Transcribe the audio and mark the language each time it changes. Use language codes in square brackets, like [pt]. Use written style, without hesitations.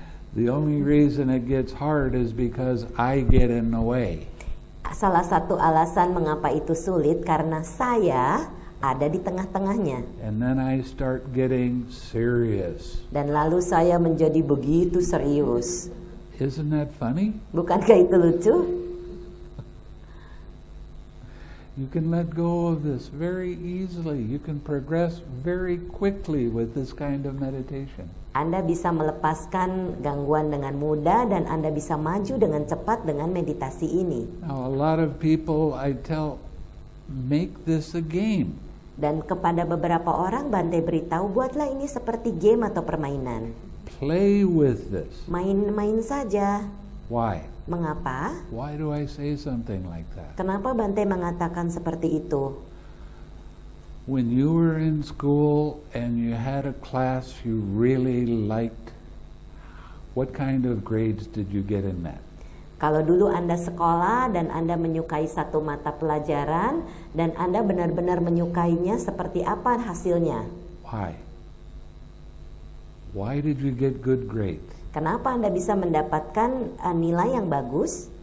[en] The only reason it gets hard is because I get in the way. [id] Salah satu alasan mengapa itu sulit karena saya ada di tengah-tengahnya. [en] And then I start getting serious. [id] Dan lalu saya menjadi begitu serius. [en] Isn't that funny? [id] Bukankah itu lucu? [en] You can let go of this very easily. You can progress very quickly with this kind of meditation. [id] Anda bisa melepaskan gangguan dengan mudah dan Anda bisa maju dengan cepat dengan meditasi ini. [en] Now, a lot of people I tell, make this a game. [id] Dan kepada beberapa orang Bante beritahu, buatlah ini seperti game atau permainan. [en] Play with this. [id] Main-main saja. [en] Why? [id] Mengapa? [en] Why do I say something like that? [id] Kenapa Bante mengatakan seperti itu? [en] When you were in school and you had a class you really liked, what kind of grades did you get in that? [id] Kalau dulu Anda sekolah dan Anda menyukai satu mata pelajaran dan Anda benar-benar menyukainya, seperti apa hasilnya? [en] Why? Why did you get good grades? [id] Kenapa Anda bisa mendapatkan nilai yang bagus?